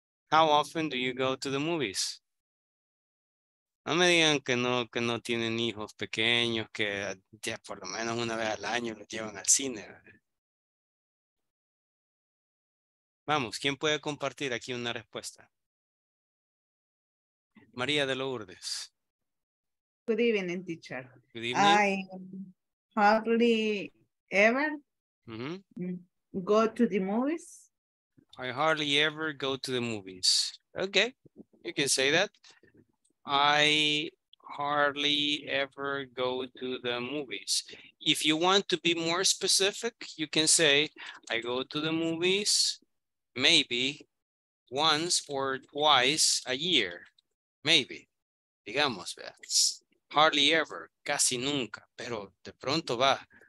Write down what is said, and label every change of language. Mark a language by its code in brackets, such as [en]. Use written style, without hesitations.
[en] How often do you go to the movies? [es] No me digan que no tienen hijos pequeños, que ya por lo menos una vez al año los llevan al cine. Vamos, ¿quién puede compartir aquí una respuesta? María de Lourdes. [en] Good evening, teacher. Good evening. I hardly ever go to the movies. I hardly ever go to the movies. Okay, you can say that. I hardly ever go to the movies. If you want to be more specific, you can say, I go to the movies maybe once or twice a year. [es] Maybe. Digamos, ¿verdad? [en] Hardly ever, [es] casi nunca, pero de pronto va.